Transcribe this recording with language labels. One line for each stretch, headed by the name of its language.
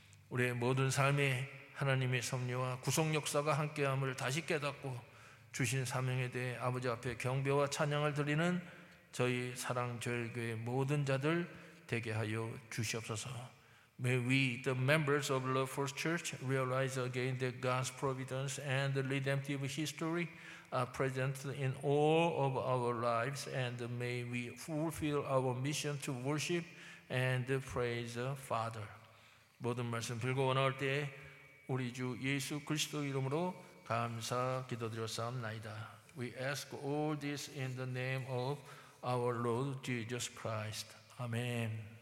Korean: 우리의 모든 삶에 하나님의 섭리와 구속 역사가 함께함을 다시 깨닫고 주신 사명에 대해 아버지 앞에 경배와 찬양을 드리는 저희 사랑절교의 모든 자들 되게 하여 주시옵소서.
English: May we, the members of Love First Church, realize again that God's providence and the redemptive history are present in all of our lives, and may we fulfill our mission to worship and praise the Father.
Korean: 모든 말씀 빌고 원할 때 우리 주 예수 그리스도 이름으로 감사 기도드렸사옵나이다.
English: We ask all this in the name of our Lord Jesus Christ. Amen.